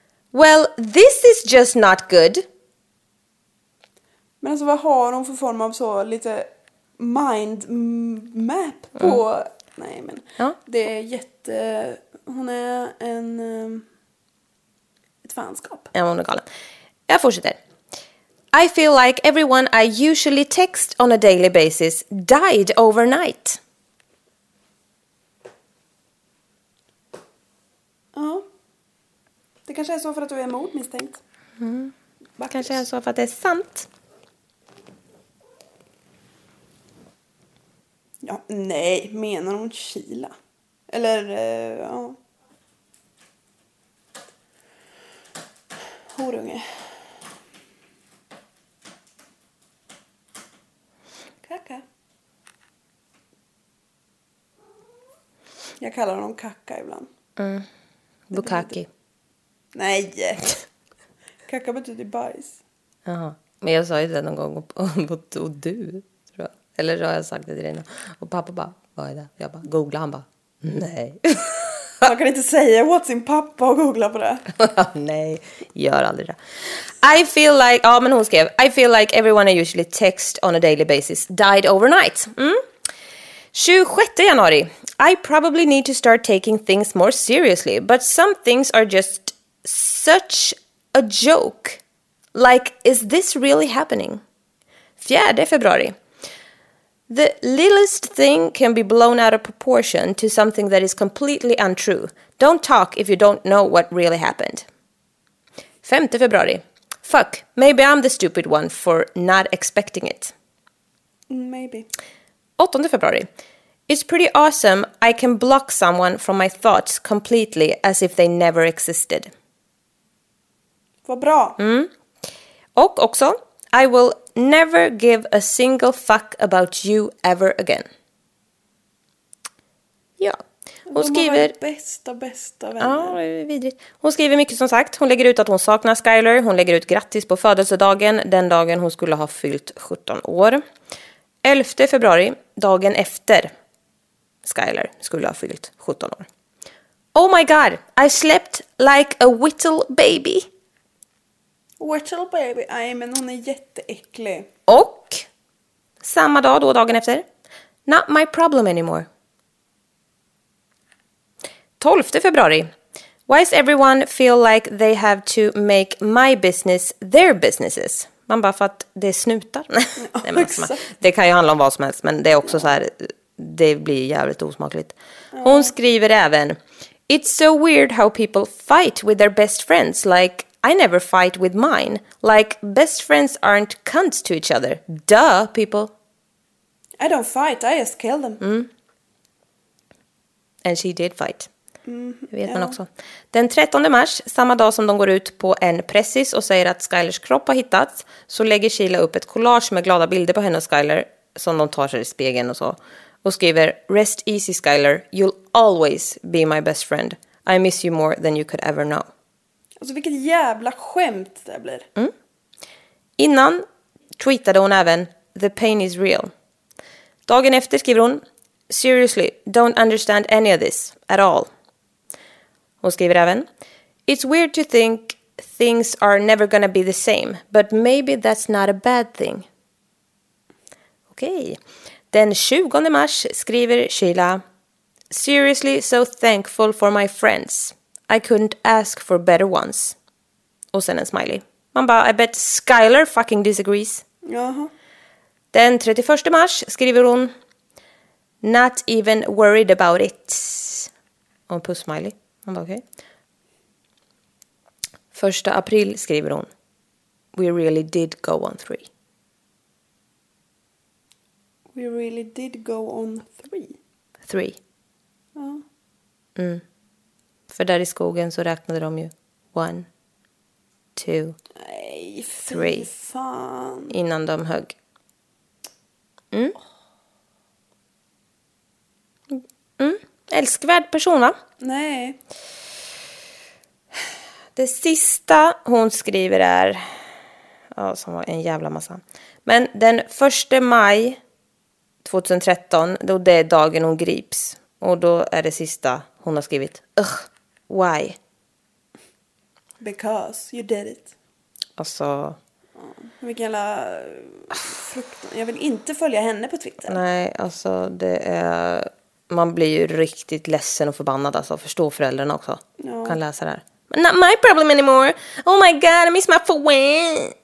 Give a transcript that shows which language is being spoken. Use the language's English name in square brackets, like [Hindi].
[English] Well, this is just not good. [Swedish] Men alltså, vad har hon för form av så lite mind map på nej men det är jätte, hon är en ett fanskap. Ja, hon är galen. Jag fortsätter. [English] I feel like everyone I usually text on a daily basis died overnight. [Swedish] Ja. Det kanske är så för att du är mordmisstänkt. Mm. Kanske är så för att det är sant. Ja, nej, menar hon Sheila? Eller, ja. Horunge. Kaka. Jag kallar honom kaka ibland. Mm. Bukaki. Nej. Kaka betyder bajs. Jaha, men jag sa ju det någon gång och du... Eller så har jag sagt det till dig. Och pappa bara, vad är det? Jag bara, googla. Han bara, nej. Man kan inte säga åt sin pappa och googla på det. Nej, gör aldrig det. [English] I feel like, [Swedish] ja men hon skrev. [English] I feel like everyone I usually text on a daily basis died overnight. Mm? [Swedish] 26 januari. [English] I probably need to start taking things more seriously. But some things are just such a joke. Like, is this really happening? [Swedish] 4 februari. [English] The littlest thing can be blown out of proportion to something that is completely untrue. Don't talk if you don't know what really happened. [Swedish] 5 februari. [English] Fuck, maybe I'm the stupid one for not expecting it. Maybe. [Swedish] 8 februari. [English] It's pretty awesome I can block someone from my thoughts completely as if they never existed. [Swedish] Vad bra. Mm. Och också, [English] I will never give a single fuck about you ever again. [Swedish] Ja. Hon skriver bästa vänner. Ja, vidrigt. Hon skriver mycket som sagt. Hon lägger ut att hon saknar Skyler. Hon lägger ut grattis på födelsedagen. Den dagen hon skulle ha fyllt 17 år. 11 februari, dagen efter Skyler skulle ha fyllt 17 år. [English] Oh my god, I slept like a whittle baby. [Swedish] Whittle baby, nej men hon är jätteäcklig. Och samma dag då, dagen efter. [English] Not my problem anymore. [Swedish] 12 februari. [English] Why does everyone feel like they have to make my business their businesses? [Swedish] Man bara för att det snutar. Ja, nej, men, exakt. Det kan ju handla om vad som helst. Men det är också så här. Det blir jävligt osmakligt. Hon skriver även. [English] It's so weird how people fight with their best friends. Like I never fight with mine. Like best friends aren't cunts to each other. Duh, people. I don't fight. I just kill them. Mm. And she did fight. [Swedish] Det vet man också. Den 13 mars, samma dag som de går ut på en pressis och säger att Skylers kropp har hittats, så lägger Sheila upp ett collage med glada bilder på henne och Skyler som de tar sig i spegeln och så. Och skriver, [English] rest easy Skyler, you'll always be my best friend. I miss you more than you could ever know. [Swedish] Alltså vilket jävla skämt det blir. Mm. Innan tweetade hon även, [English] the pain is real. [Swedish] Dagen efter skriver hon, [English] seriously, don't understand any of this at all. [Swedish] Hon skriver även, [English] it's weird to think things are never gonna be the same, but maybe that's not a bad thing. [Swedish] Okej. Den 20 mars skriver Sheila, [English] seriously so thankful for my friends. I couldn't ask for better ones. [Swedish] Och sen en smiley. Man bara, [English] I bet Skyler fucking disagrees. Uh-huh. [Swedish] Den 31 mars skriver hon, [English] not even worried about it. [Swedish] Och en puss smiley. Han bara, [English] okay. [Swedish] 1 april skriver hon, [English] we really did go on three. We really did go on three? Three. [Swedish] Ja. Mm. För där i skogen så räknade de ju 1, 2, nej, [English] three. [Swedish] Fan. Innan de högg. Mm. Mm. Älskvärd person, va? Nej. Det sista hon skriver är, ja, som var en jävla massa. Men den 1 maj 2013, då det är dagen hon grips. Och då är det sista hon har skrivit. [English] Ugh, why? Because you did it. [Swedish] Alltså. Vilken jävla fruktan. Jag vill inte följa henne på Twitter. Nej, alltså det är. Man blir ju riktigt ledsen och förbannad. Alltså, förstå föräldrarna också. Ja. Kan läsa det här. [English] Not my problem anymore. Oh my god, I miss my friend.